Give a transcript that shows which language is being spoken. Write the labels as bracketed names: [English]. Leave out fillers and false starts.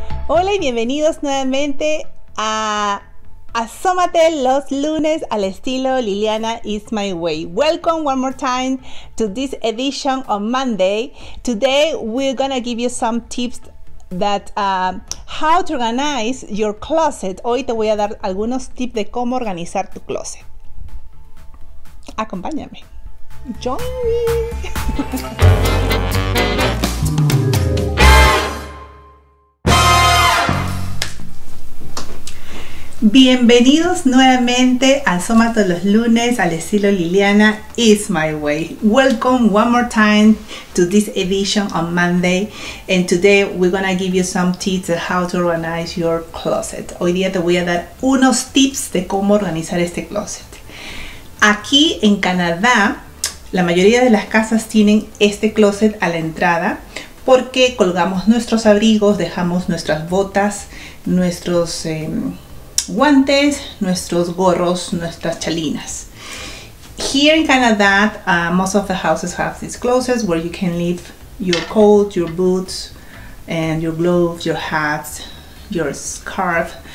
[Spanish] Hola y bienvenidos nuevamente a Asómate los lunes al estilo Liliana Is My Way. [English] Welcome one more time to this edition on Monday. Today we're gonna give you some tips that how to organize your closet. [Spanish] Hoy te voy a dar algunos tips de cómo organizar tu closet. Acompáñame. [English] Join me. [Spanish] Bienvenidos nuevamente a Asómate los lunes al estilo Liliana Is My Way. [English] Welcome one more time to this edition on Monday. And today we're gonna give you some tips on how to organize your closet. [Spanish] Hoy día te voy a dar unos tips de cómo organizar este closet. Aquí en Canadá, la mayoría de las casas tienen este closet a la entrada porque colgamos nuestros abrigos, dejamos nuestras botas, nuestros guantes, nuestros gorros, nuestras chalinas. [English] Here in Canada, most of the houses have these closets where you can leave your coat, your boots, and your gloves, your hats, your scarf.